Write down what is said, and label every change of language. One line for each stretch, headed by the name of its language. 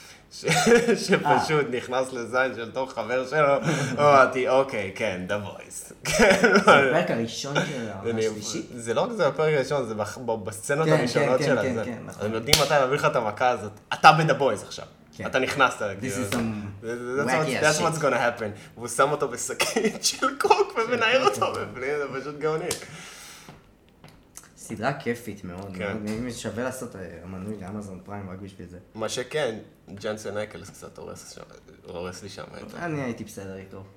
Hebrew: שפשוט נכנס לזין של תוך חבר שלו, אמרתי, אוקיי, כן, דה וויס. זה הפרק הראשון שלו, השלישי. זה לא רק זה הפרק הראשון, זה בסצנות הראשונות של הזה. אז הם יודעים מתי להביא לך את המכה הזאת, אתה בדה וויס עכשיו. אתה נכנסת,
English: that's what's gonna happen.
Hebrew: והוא שם אותו בסקית של קוק ומנער אותו בפנים, זה פשוט גאוני. סדרה כיפית מאוד, אם שווה לעשות המנוי לאמזון פריים רק בשביל זה. מה שכן, ג'נסן אקלס קצת הורס לי שם. אני הייתי בסדר איתו.